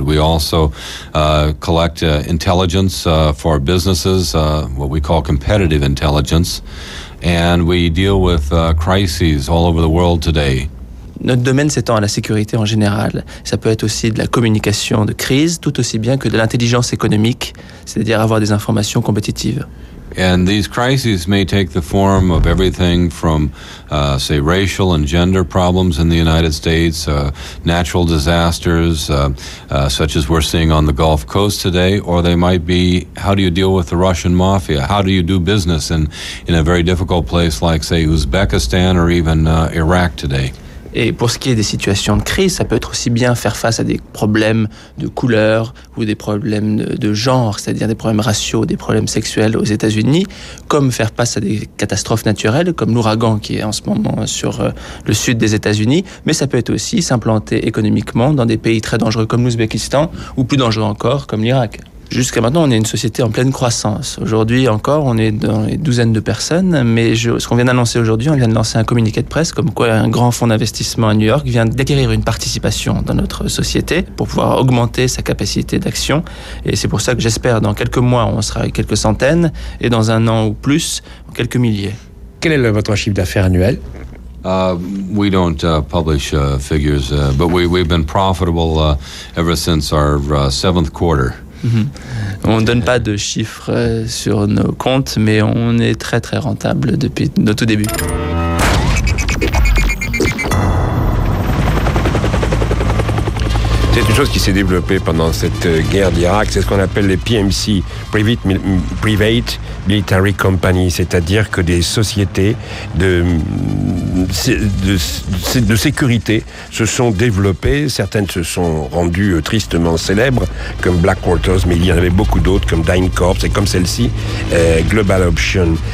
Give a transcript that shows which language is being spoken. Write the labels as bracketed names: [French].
[English] We also collect intelligence for businesses, what we call competitive intelligence, and we deal with crises all over the world today. [French] Notre domaine s'étend à la sécurité en général. Ça peut être aussi de la communication de crise, tout aussi bien que de l'intelligence économique, c'est-à-dire avoir des informations compétitives. [English] And these crises may take the form of everything from, say, racial and gender problems in the United States, natural disasters, such as we're seeing on the Gulf Coast today, or they might be, how do you deal with the Russian mafia? How do you do business in a very difficult place like, say, Uzbekistan or even Iraq today? [French] Et pour ce qui est des situations de crise, ça peut être aussi bien faire face à des problèmes de couleur ou des problèmes de genre, c'est-à-dire des problèmes raciaux, des problèmes sexuels aux États-Unis, comme faire face à des catastrophes naturelles, comme l'ouragan qui est en ce moment sur le sud des États-Unis. Mais ça peut être aussi s'implanter économiquement dans des pays très dangereux comme l'Ouzbékistan ou plus dangereux encore comme l'Irak. Jusqu'à maintenant, on est une société en pleine croissance. Aujourd'hui encore, on est dans les douzaines de personnes, mais ce qu'on vient d'annoncer aujourd'hui, on vient de lancer un communiqué de presse comme quoi un grand fonds d'investissement à New York vient d'acquérir une participation dans notre société pour pouvoir augmenter sa capacité d'action. Et c'est pour ça que j'espère, dans quelques mois, on sera quelques centaines, et dans un an ou plus, quelques milliers. Quel est votre chiffre d'affaires annuel? [English] We don't publish figures, but we've been profitable ever since our seventh quarter. [French] On ne donne pas de chiffres sur nos comptes, mais on est très très rentable depuis nos tout débuts. C'est une chose qui s'est développée pendant cette guerre d'Irak, c'est ce qu'on appelle les PMC, Private Military Company, c'est-à-dire que des sociétés de sécurité se sont développées, certaines se sont rendues tristement célèbres, comme Blackwater's, mais il y en avait beaucoup d'autres, comme DynCorp, et comme celle-ci, Global Option.